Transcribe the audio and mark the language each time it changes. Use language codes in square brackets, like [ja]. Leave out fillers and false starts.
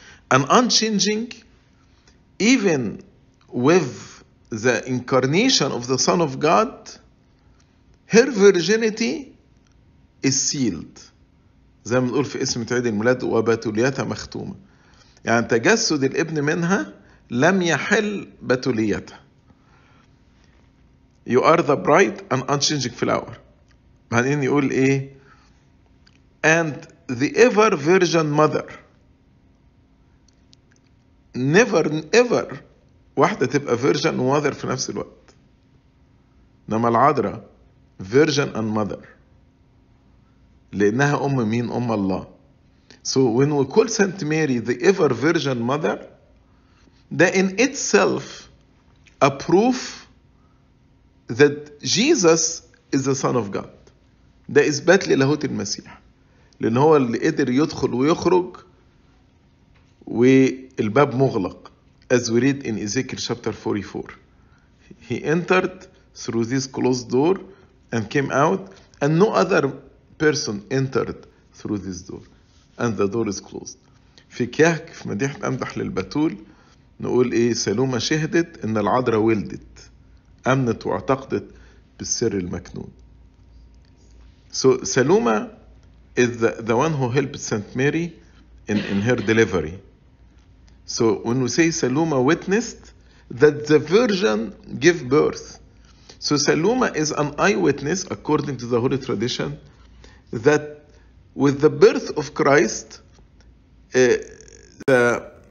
[en] And unchanging, even with the incarnation of the Son of God, her virginity is sealed. [ar] زي ما نقول في اسم عيد الميلاد, وبتوليتها مختومة. يعني تجسد الابن منها لم يحل بتوليتها. [en] You are the bright and unchanging flower. [ar] معنين يقول ايه؟ [en] And the ever virgin mother. Never ever [ar] واحدة تبقى [en] virgin and mother [ar] في نفس الوقت. نما العذراء [en] virgin and mother. [ar] لأنها أم مين؟ أم الله. [en] So when we call Saint Mary the ever virgin mother, that in itself a proof that Jesus is the son of God. [ar] ده إثبات للاهوت المسيح, لأن هو اللي قدر يدخل ويخرج والباب مغلق. [en] As we read in Ezekiel chapter 44, he entered through this closed door and came out, and no other person entered through this door, and the door is closed. [ar] في كهك في مديحة أمدح للبتول نقول إيه؟ سلومة شهدت إن العذراء ولدت, أمنت واعتقدت بالسر المكنون. [en] So Saloma is the one who helped Saint Mary in her delivery. So when we say Saloma witnessed that the virgin gave birth, so Saloma is an eyewitness according to the holy tradition that with the birth of Christ, the